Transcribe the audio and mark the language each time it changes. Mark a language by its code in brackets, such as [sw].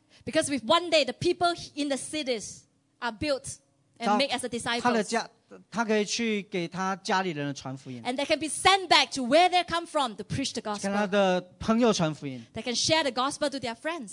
[en] because with one day the people in the cities are built and made as a disciple, [zh] 他可以去给他家里人的传福音, [en] and they can be sent back to where they come from to preach the gospel. [zh] 跟他的朋友传福音, [en] they can share the gospel to their friends.